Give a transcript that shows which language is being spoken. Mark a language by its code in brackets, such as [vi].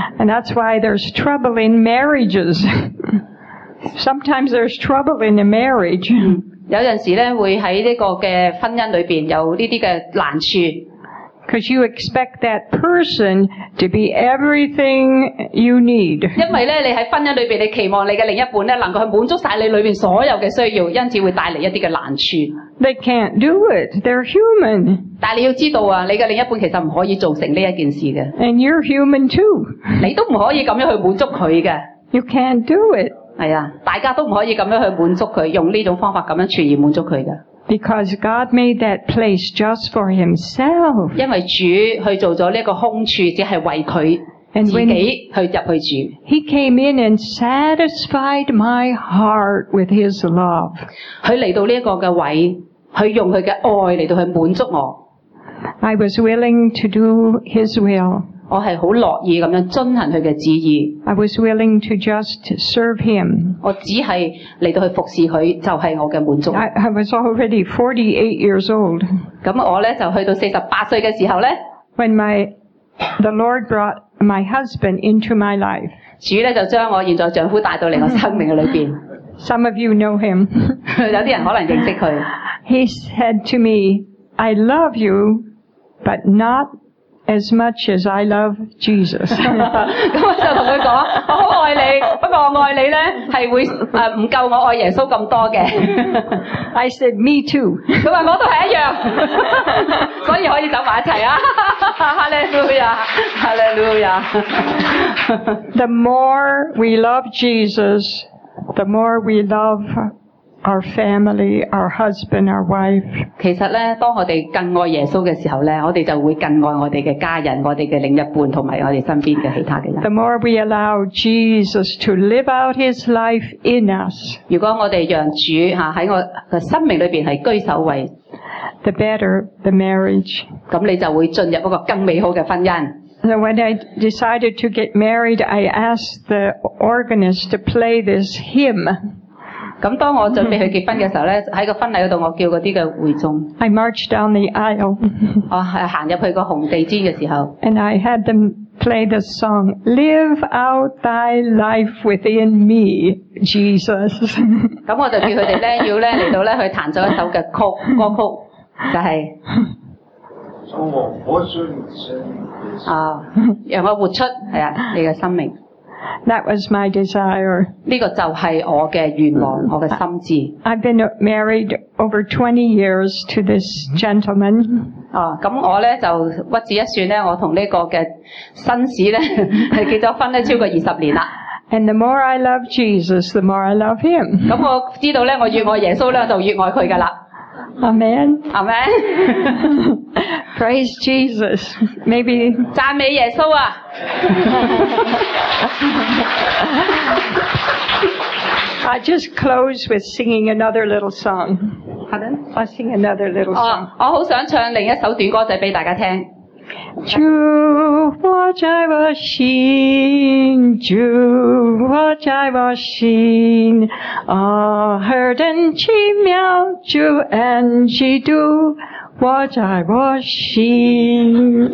[en] And that's why there's trouble in marriages. Sometimes there's trouble in a marriage. [yue] 有阵时咧会喺呢个嘅婚姻里边有呢啲嘅难处。 [en] Because you expect that person to be everything you need. [yue] 因为咧你喺婚姻里边，你期望你嘅另一半咧能够去满足晒你里边所有嘅需要，因此会带嚟一啲嘅难处。 [en] They can't do it. They're human. [yue] 但你要知道啊，你嘅另一半其实唔可以做成呢一件事嘅。 [en] And you're human too. [yue] 你都唔可以咁样去满足佢嘅。 [en] You can't do it. [yue] 系啊，大家都唔可以咁样去满足佢，用呢种方法咁样全然满足佢嘅。 [en] Because God made that place just for Himself. [yue] 因为主去做咗呢个空处，只系为佢自己去入去住。 [en] He came in and satisfied my heart with His love. [yue] 佢嚟到呢一个嘅位，佢用佢嘅爱嚟到去满足我。 [en] I was willing to do His will. [yue] 我係好樂意咁樣遵行佢嘅旨意。 [en] I was willing to just serve Him. [yue] 我只係嚟到去服侍佢，就係我嘅滿足。 [en] I was already 48 years old. [yue] 咁我咧就去到48歲嘅時候咧。 [en] When the Lord brought my husband into my life. [yue] 主咧就將我現在丈夫帶到嚟我生命嘅裏邊。 [en] Some of you know him. [yue] 有啲人可能認識佢。 [en] He said to me, "I love you, but not as much as I love Jesus." [yue] 咁我就同佢講：我好愛你，不過我愛你咧係會唔夠我愛耶穌咁多嘅。 [en] I said, "Me too." [yue] 佢話我都係一樣，所以可以走埋一齊啊！ [en] Hallelujah, Hallelujah. The more we love Jesus. The more we love our family, our husband, our wife. [yue] 其實咧，當我哋更愛耶穌嘅時候咧，我哋就會更愛我哋嘅家人、我哋嘅另一半同埋我哋身邊嘅其他嘅人。 [en] The more we allow Jesus to live out His life in us. [yue] 如果我哋讓主喺我嘅生命裏邊係居首位 [en] ，the better the marriage. [yue] 咁你就會進入一個更美好嘅婚姻。 [en] So when I decided to get married, I asked the organist to play this hymn. [yue] 咁當我準備去結婚嘅時候咧，喺個婚禮嗰度，我叫嗰啲嘅會眾。 [en] I marched down the aisle. [yue] 我係行入去個紅地氈嘅時候。 [en] And I had them play the song, "Live out Thy life within me, Jesus." [yue] 咁我就叫佢哋咧，要咧嚟到咧去彈咗一首嘅曲歌曲，就係。让我活出你的生命。 [en] That was my desire. [yue] 这个就是我的愿望，我的心志。 [en] I've been married over 20 years to this gentleman. [yue] 咁我呢就屈指一算呢，我同呢个嘅绅士呢係结咗婚呢超过20年啦。 [en] And the more I love Jesus, the more I love him. [yue] 咁我知道呢，我越爱耶稣呢就越爱佢㗎啦。 [en] Amen. Amen. Praise Jesus. Maybe. [yue] 赞美耶稣啊 [en] I just close with singing another little song. Pardon? I'll sing another little song. [yue] 我好想唱另一首短歌仔俾大家听。主我在我心，主我在我心，啊，何等奇妙，主恩基督，我在我心。